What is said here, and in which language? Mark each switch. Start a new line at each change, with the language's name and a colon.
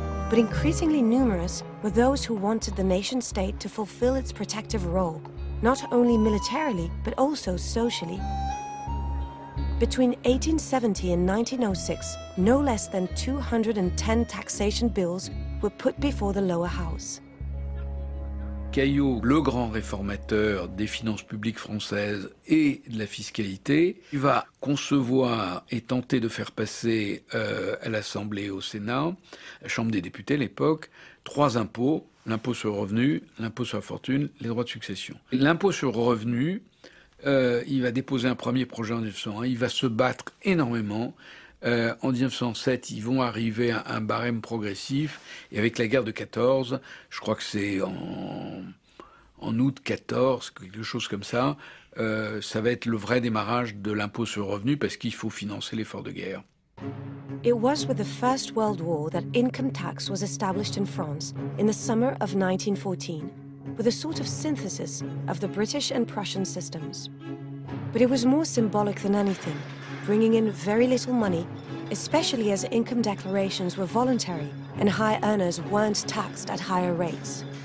English: But increasingly numerous were those who wanted the nation-state to fulfill its protective role, not only militarily, but also socially. Between 1870 and 1906, no less than 210 taxation bills were put before the lower house.
French: Caillaux, le grand réformateur des finances publiques françaises et de la fiscalité, va concevoir et tenter de faire passer à l'Assemblée et au Sénat, la Chambre des députés à l'époque, trois impôts: l'impôt sur le revenu, l'impôt sur la fortune, les droits de succession. L'impôt sur le revenu, il va déposer un premier projet en 1901, il va se battre énormément. En 1907, ils vont arriver à un barème progressif, et avec la guerre de 14, je crois que c'est en août 14, quelque chose comme ça, ça va être le vrai démarrage de l'impôt sur le revenu, parce qu'il faut financer l'effort de guerre.
English: It was with the First World War that income tax was established in France in the summer of 1914, with a sort of synthesis of the British and Prussian systems. But it was more symbolic than anything, bringing in very little money, especially as income declarations were voluntary and high earners weren't taxed at higher rates.